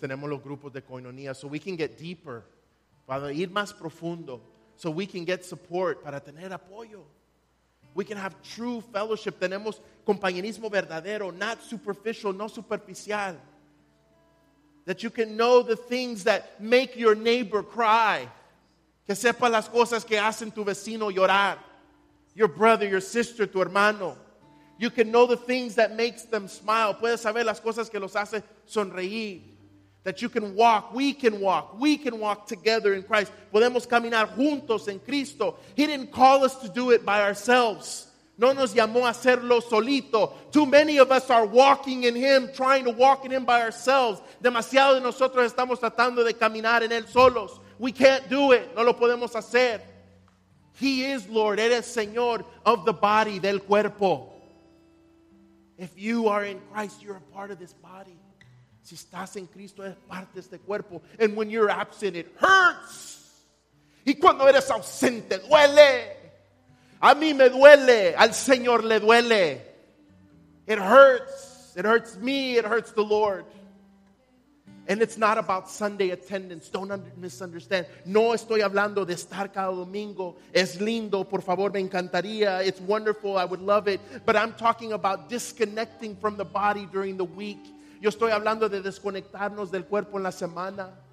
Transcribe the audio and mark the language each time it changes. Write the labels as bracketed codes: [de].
[es] Tenemos los grupos de koinonia. [en] So we can get deeper. [es] Para ir más profundo. [en] So we can get support. [es] Para tener apoyo. [en] We can have true fellowship. [es] Tenemos compañerismo verdadero. [en] Not superficial. [es] No superficial. [en] That you can know the things that make your neighbor cry. [es] Que sepa las cosas que hacen tu vecino llorar. [en] Your brother, your sister, [es] tu hermano. [en] You can know the things that makes them smile. [es] Puedes saber las cosas que los hace sonreír. [en] That you can walk. We can walk. We can walk together in Christ. [es] Podemos caminar juntos en Cristo. [en] He didn't call us to do it by ourselves. [es] No nos llamó a hacerlo solito. [en] Too many of us are walking in Him, trying to walk in Him by ourselves. [es] Demasiado de nosotros estamos tratando de caminar en Él solos. [en] We can't do it. [es] No lo podemos hacer. [en] He is Lord. [es] Eres Señor [en] of the body, [es] del cuerpo. [en] If you are in Christ, you're a part of this body. [es] Si estás en Cristo, eres parte de este cuerpo. [en] And when you're absent, it hurts. [es] Y cuando eres ausente, duele. A mí me duele. Al Señor le duele. [en] It hurts. It hurts me. It hurts the Lord. And it's not about Sunday attendance. Don't misunderstand. [es] No estoy hablando de estar cada domingo. Es lindo, por favor, me encantaría. [en] It's wonderful, I would love it. But I'm talking about disconnecting from the body during the week. [es] Yo estoy hablando de desconectarnos del cuerpo en la semana.